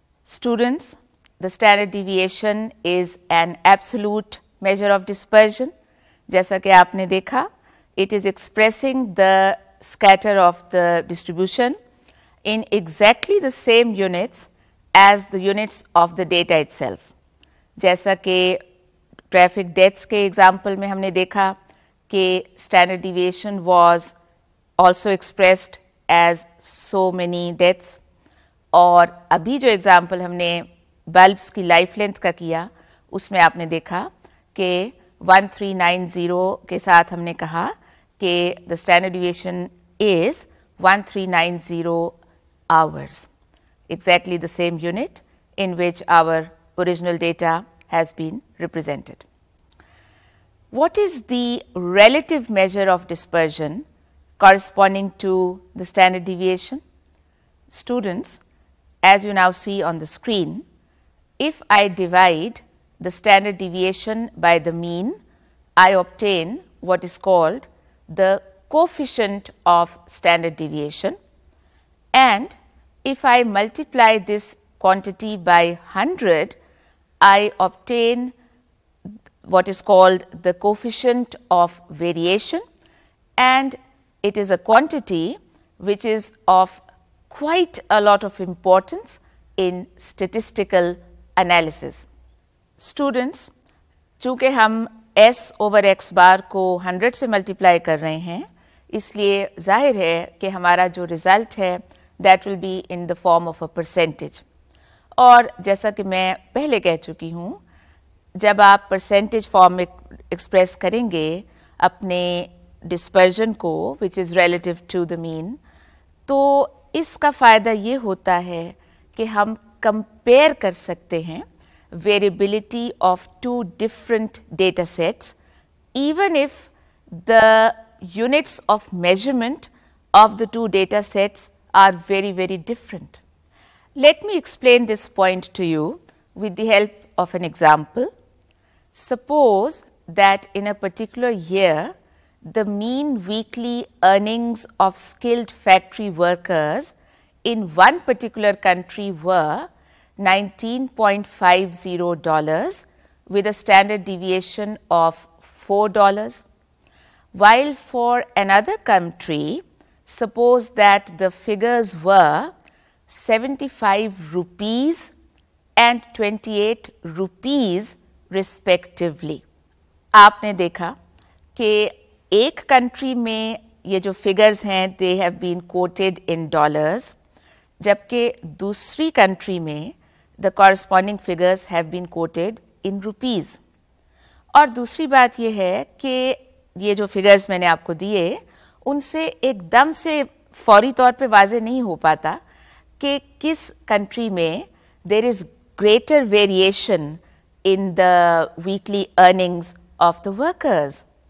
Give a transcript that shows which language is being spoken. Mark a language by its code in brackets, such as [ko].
[en] Students, the standard deviation is an absolute measure of dispersion. [ur] Jaisa ki aapne dekha, [en] it is expressing the scatter of the distribution in exactly the same units as the units of the data itself. [ur] Jaisa ke [en] traffic deaths [ur] کے [en] example [ur] میں ہم نے دیکھا کہ [en] standard deviation was also expressed as so many deaths, [ur] اور ابھی جو example ہم نے بلبس کی لائف لینتھ کا کیا اس میں آپ نے دیکھا کہ 1390 کے ساتھ ہم نے کہا کہ [en] The standard deviation is 1390 hours, exactly the same unit in which our original data has been represented. What is the relative measure of dispersion corresponding to the standard deviation? Students, as you now see on the screen, if I divide the standard deviation by the mean, I obtain what is called the coefficient of standard deviation, and if I multiply this quantity by 100, I obtain what is called the coefficient of variation, and it is a quantity which is of quite a lot of importance in statistical analysis. [ur] Students, چونکہ ہم s over x bar کو 100 سے multiply کر رہے ہیں, اس لیے ظاہر ہے کہ ہمارا جو result ہے [en] that will be in the form of a percentage. [ur] اور جیسا کہ میں پہلے کہہ چکی ہوں, جب آپ پرسینٹیج فارم میں ایکسپریس کریں گے اپنے ڈسپرژن کو [en] which is relative to the mean, [ur] تو اس کا فائدہ یہ ہوتا ہے کہ ہم کمپیئر کر سکتے ہیں [en] Variability of two different data sets even if the units of measurement of the two data sets are very very different. Let me explain this point to you with the help of an example. Suppose that in a particular year, the mean weekly earnings of skilled factory workers in one particular country were $19.50 with a standard deviation of $4, while for another country, suppose that the figures were 75 rupees and 28 rupees respectively. [ur] آپ نے دیکھا کہ ایک [en] country [ur] میں یہ جو [en] figures [ur] ہیں [en] they have been quoted in dollars, [ur] جبکہ دوسری [en] country [ur] میں [en] The corresponding figures have been quoted in rupees. [ur] اور دوسری بات یہ ہے کہ یہ جو فگرز میں نے آپ کو دیے ان سے ایک دم سے فوری طور پہ واضح نہیں ہو پاتا کہ کس کنٹری میں [en] There is greater variation in the weekly earnings of the workers.